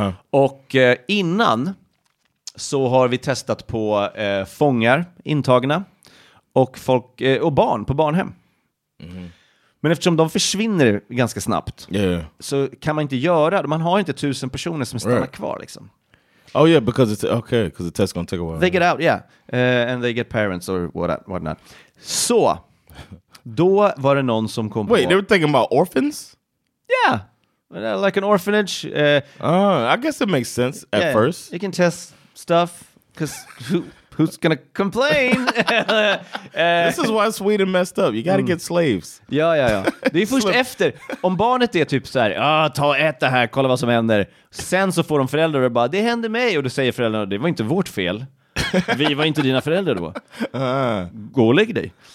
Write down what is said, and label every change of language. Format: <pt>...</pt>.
<sv>Och innan så har vi testat på fångar, intagna och folk och barn på barnhem. Men eftersom de försvinner ganska snabbt, så kan man inte göra, man har inte 1000 personer som stannar kvar liksom.</sv> <en>Oh yeah, because it's okay, because the test gonna take a while. They get out, yeah. And they get parents or whatnot.</en> <sv>Så då var det någon som kom.</sv> <en>Wait,</en> <sv>på.</sv> <en>They were thinking about orphans? Yeah, like an orphanage. I guess it makes sense at first. You can test stuff, because who's going to complain? This is why Sweden messed up. You got to get slaves.</en> <sv>Ja. Det är först efter. Om barnet är typ så här, ta och ät det här, kolla vad som händer. Sen så får de föräldrar och bara, det hände mig. Och då säger föräldrarna, det var inte vårt fel. Vi var inte dina föräldrar då. Gå och lägg dig.</sv>